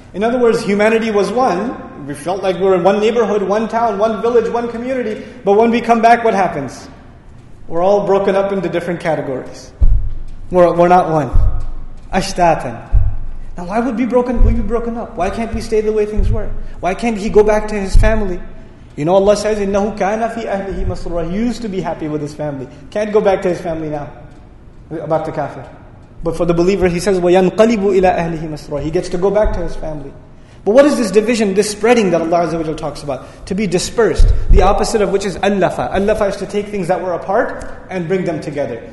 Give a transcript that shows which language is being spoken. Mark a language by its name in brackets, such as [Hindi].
[English] In other words, humanity was one. We felt like we were in one neighborhood, one town, one village, one community. But when we come back, what happens? We're all broken up into different categories. We're not one. Ashtatan. Now why would we be broken up? Why can't we stay the way things were? Why can't he go back to his family? You know, Allah says, [Arabic] إِنَّهُ كَانَ فِي أَهْلِهِ مَسْرُورًا. [English] He used to be happy with his family. Can't go back to his family now. About the kafir. But for the believer, he says, [Arabic] وَيَنْقَلِبُ إِلَىٰ أَهْلِهِ مَسْرُورًا. [English] He gets to go back to his family. But what is this division, this spreading that Allah Azza wa Jalla talks about? To be dispersed. The opposite of which is أَلَّفَ. أَلَّفَ is to take things that were apart and bring them together.